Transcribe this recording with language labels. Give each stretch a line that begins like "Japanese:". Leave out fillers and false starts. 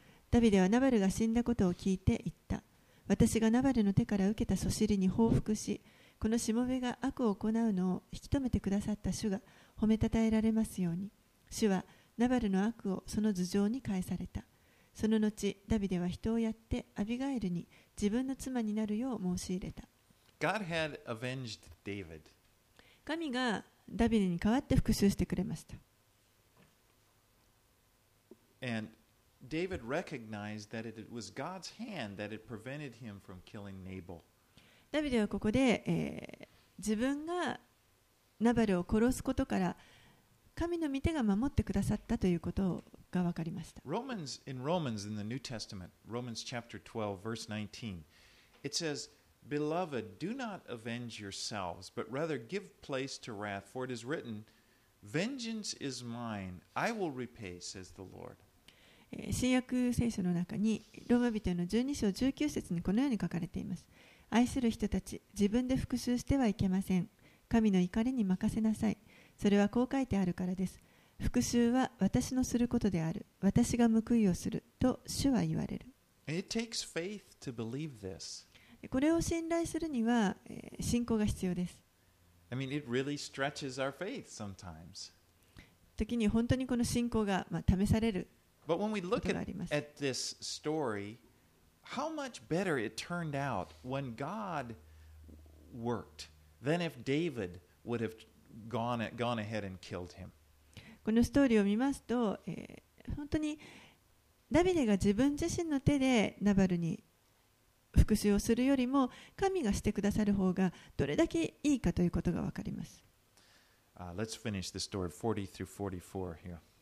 Japanese: ダビデはナバルが死んだことを聞いて言った。私がナバルの手から受けたそしりに報復し、このしもべが悪を行うのを引き止めてくださった主が褒めたたえられますように、主はナバルの悪をその頭上に返された。その後、ダビデは人をやってアビガエルに、自分の妻になるよう申し入れた。
English: God had avenged David.
Japanese: 神がダビデに代わって復讐してくれました。
English: And David recognized that it was God's hand that had prevented him from killing Nabal.
Japanese: ダビデはここで、自分がナバルを殺すことから神の御手が守ってくださったということをが分かりました。
English: Romans, in Romans in the New Testament, Romans chapter 12, verse 19, it says, Beloved, do not avenge yourselves, but rather give place to wrath, for it is written, Vengeance is mine, I will repay, says the Lord.
Japanese: 新約聖書の中に、ローマ人の12章19節にこのように書かれています。愛する人たち、自分で復讐してはいけません。神の怒りに任せなさい。それはこう書いてあるからです。復讐は私のすることである。私が報いをすると主は言われる。
English: It takes faith to believe this.
Japanese: これを信頼するには、信仰が必要です。
English: I mean, it really stretches our faith sometimes.
Japanese: 時に本当にこの信仰が、まあ、試されることがあります。
English: But when we look at this story, how much better it turned out when God worked than if David would have gone ahead and killed him.
Japanese: このストーリーを見ますと、本当にダビデが自分自身の手でナバルに復讐をするよりも神がしてくださる方がどれだけいいかということがわかります。
English: Let's finish the story 40 through 44 here.